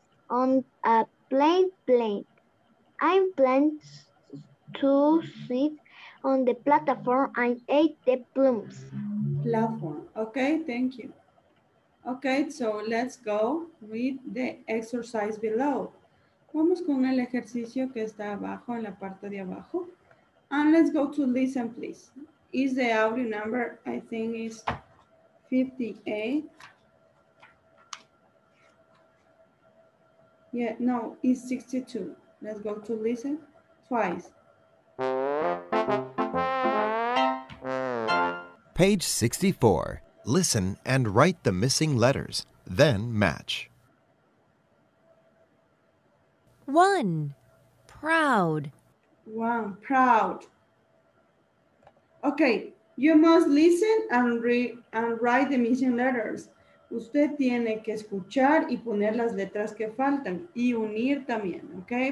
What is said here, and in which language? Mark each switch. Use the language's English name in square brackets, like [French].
[English] On a plane. I plan to sit on the platform and eat the plums. Platform. Okay, thank you. Okay, so let's go with the exercise below. [Spanish] Vamos con el ejercicio que está abajo, en la parte de abajo. [English] And let's go to listen, please. Is the audio number, I think, is 58. Yeah, no, it's 62. Let's go to listen twice. Page 64. Listen and write the missing letters, then match. 1. Proud. 1. Proud. Okay, you must listen and read and write the missing letters. [Spanish] Usted tiene que escuchar y poner las letras que faltan y unir también, okay?